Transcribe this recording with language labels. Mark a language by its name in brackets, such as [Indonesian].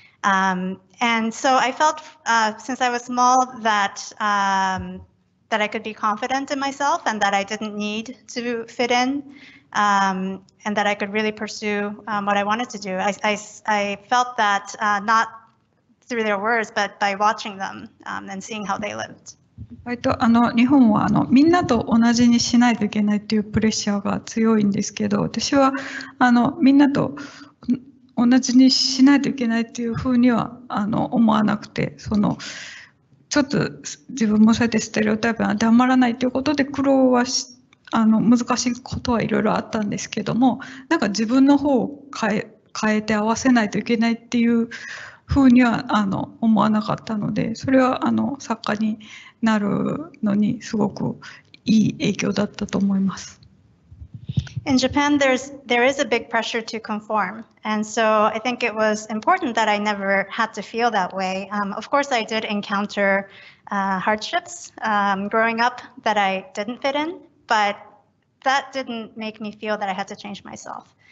[English] And so I felt since I was small that that I could be confident in myself and that I didn't need to fit in and that I could really pursue what I wanted to do. I felt that not through their words, but by watching them and seeing how they lived. [Japanese] 日本はみんなと同じにしないといけないというプレッシャーが強いんですけど、私はみんなと同じにしないといけないというふうには思わなくて、そのちょっと自分もそうやってステレオタイプが黙らないということで苦労はし難しいことはいろいろあったんですけども、なんか自分の方を変えて合わせないといけないっていうふうにはあの思わなかったので、それはあの作家になるのにすごくいい影響だったと思います。 [English] In Japan, there is a big pressure to conform. And so I think it was important that I never had to feel that way. Of course, I did encounter hardships growing up that I didn't fit in, but that didn't make me feel that I had to change myself.